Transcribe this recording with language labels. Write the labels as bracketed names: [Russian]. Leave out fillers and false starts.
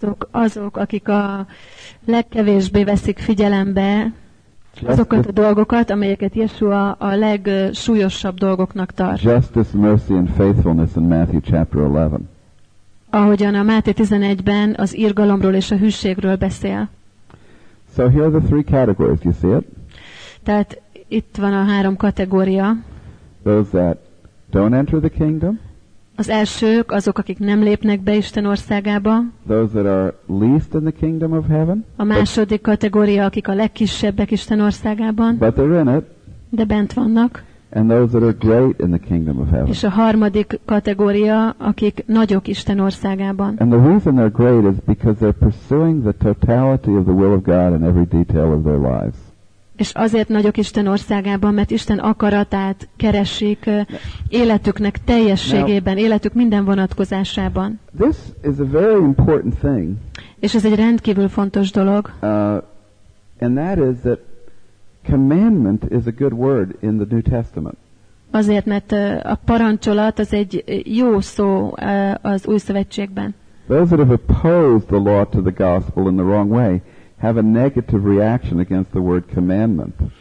[Hungarian] azok, akik a legkevésbé veszik figyelembe azokat a dolgokat, amelyeket Yeshua a legsúlyosabb dolgoknak tart. [English] Justice, mercy and faithfulness in Matthew chapter 11. [Hungarian] Ahogyan a Máté 11-ben az irgalomról és a hűségről beszél. [English] So here are the three categories, you see it? [Hungarian] Tehát itt van a három kategória. [English] Those that don't enter the kingdom. [Hungarian] Az elsők, azok, akik nem lépnek be Isten országába. [English] Those that are least in the kingdom of heaven. [Hungarian] A második kategória, akik a legkisebbek Isten országában. [English] But they're in it. [Hungarian] De bent vannak. [English] And those that are great in the kingdom of heaven. [Hungarian] És a harmadik kategória, akik nagyok Isten országában. [English] And the reason they're great is because they're pursuing the totality of the will of God in every detail of their lives. [Hungarian] És azért nagyok Isten országában, mert Isten akaratát keresik életüknek teljességében, életük minden vonatkozásában. [English] This is a very important thing. [Hungarian] És ez egy rendkívül fontos dolog. [English] And that is that commandment is a good word in the New Testament. [Hungarian] Azért, mert a parancsolat az egy jó szó az Új Szövetségben. [English] Those that have opposed the law to the gospel in the wrong way have a negative reaction against the word commandment.